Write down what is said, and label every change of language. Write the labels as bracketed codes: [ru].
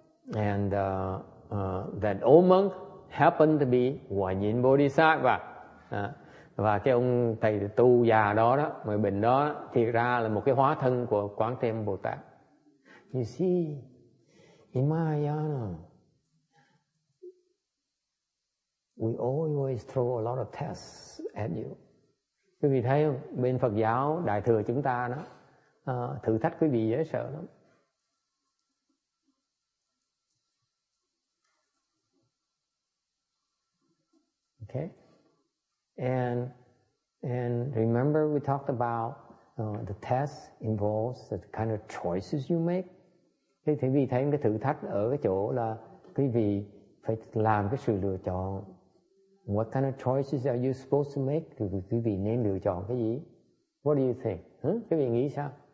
[en] That old monk happened to be Hòa Nhiên Bodhisattva. [vi] Và cái ông thầy tu già đó đó, người bệnh đó, thì ra là một cái hóa thân của Quán Thế Âm Bồ Tát. [en] You see, in Mahayana, we always throw a lot of tests at you. [vi] Quý vị thấy không? Bên Phật giáo Đại Thừa chúng ta đó, thử thách quý vị dễ sợ lắm. [en] Okay. And remember we talked about the test involves the kind of choices you make. [vi] Thế thì quý vị thấy cái thử thách ở cái chỗ là quý vị phải làm cái sự lựa chọn. [en] What kind of choices are you supposed to make? [vi] Quý vị nên lựa chọn cái gì? [en] What do you think? [vi] Quý vị nghĩ sao?